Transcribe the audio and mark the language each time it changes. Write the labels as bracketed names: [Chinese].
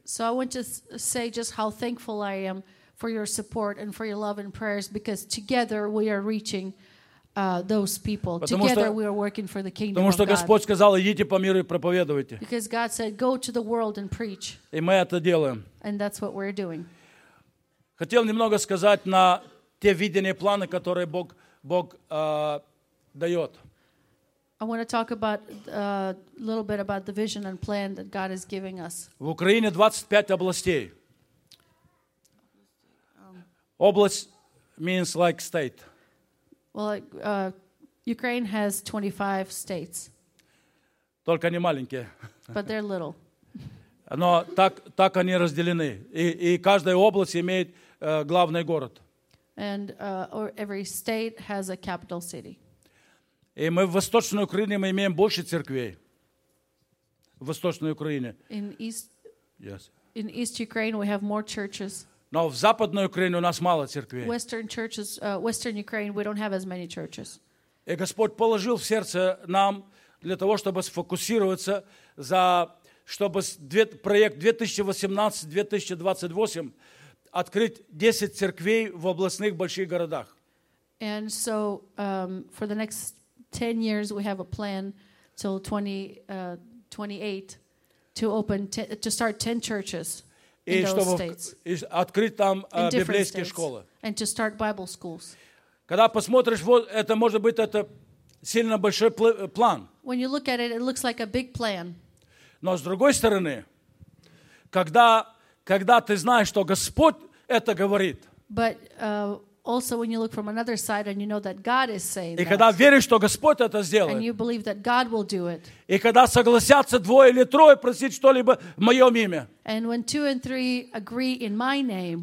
[English] So I want to say just how thankful I am for your support and for your love and prayers, because together we are reaching those people. [Russian] Потому [English] together [Russian] что, [English] we are working for the kingdom of God. [Russian] Потому что Господь сказал, идите по миру и проповедуйте. [English] Because God said, go to the world and preach. [Russian] И мы это делаем. [English] And that's what we're doing. [Russian] Хотел немного сказать на те видения и планы, которые Бог дает. [English] I want to talk about a little bit about the vision and plan that God is giving us. [Russian] В Украине 25 областей. [English] Область means like state. Well, Ukraine has 25 states. [Russian] Только не маленькие. [English] But they're little. [Russian] Но так они разделены. И каждая область имеет главный город. [English] And or every state has a capital city. [Russian] И мы в Восточной Украине мы имеем больше церквей. В Восточной Украине. [English] In East Ukraine we have more churches. [Russian] Но в Западной Украине у нас мало церквей. [English] Western Ukraine we don't have as many churches. [Russian] И Господь положил в сердце нам для того, чтобы сфокусироваться за чтобы проект 2018-2028 открыть 10 церквей в областных больших городах. [English] And so for the next 10 years we have a plan till 28 to start 10 churches in those states. [Russian] И открыть там библейские школы. [English] And to start Bible schools. [Russian] Когда посмотришь, вот это может быть это сильно большой план. [English] When you look at it, it looks like a big plan. [Russian] Но с другой стороны, когда ты знаешь, что Господь это говорит. [English] But also when you look from another side and you know that God is saying that. [Russian] И когда веришь, что Господь это сделает. [English] And you believe that God will do it. [Russian] И когда согласятся двое или трое просить что-либо в моем имя. [English] And when two and three agree in my name.